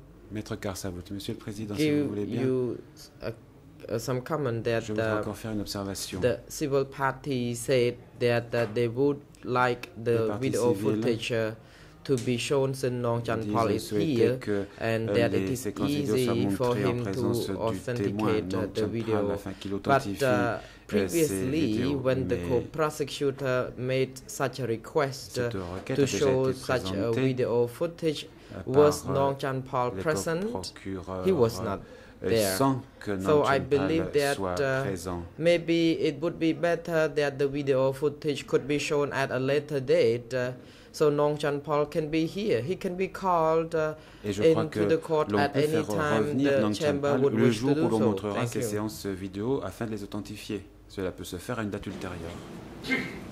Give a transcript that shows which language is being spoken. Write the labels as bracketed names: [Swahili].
[French] Maître Gazowood, Monsieur le Président, si vous voulez bien. [English] Some comment that the civil party said that they would like the video footage to be shown since Norng Chanphal is here, and that it is easy for him to authenticate the video. But previously, when the co-prosecutor made such a request to show such a video footage, was Norng Chanphal present? He was not. So I believe that maybe it would be better that the video footage could be shown at a later date so Norng Chanphal can be here. He can be called into the court at any time the chamber would wish to do so. Thank you. [French] Séances vidéo afin de les authentifier. Cela peut se faire à une date ultérieure.